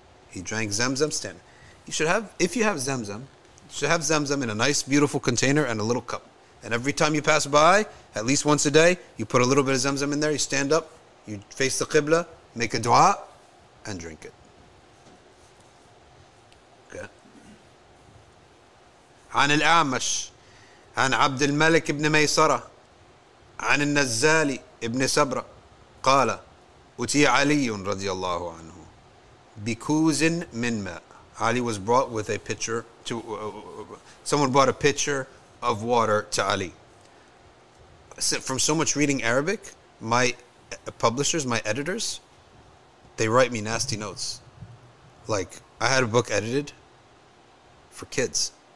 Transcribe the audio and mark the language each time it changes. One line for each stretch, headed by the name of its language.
English: He drank zamzam standing. You should have, if you have zamzam, you should have zamzam in a nice, beautiful container and a little cup. And every time you pass by, at least once a day, you put a little bit of zamzam in there, you stand up, you face the qibla, make a dua, and drink it. Okay.
Arabic: عن الأعمش عن عبد الملك بن ميسرة عن النزال بن سبرة قال أتي علي رضي الله عنه بكوز من ماء.
English: Ali was brought with a pitcher to someone brought a pitcher of water to Ali. From so much reading Arabic, my publishers, my editors, they write me nasty notes. Like, I had a book edited for kids.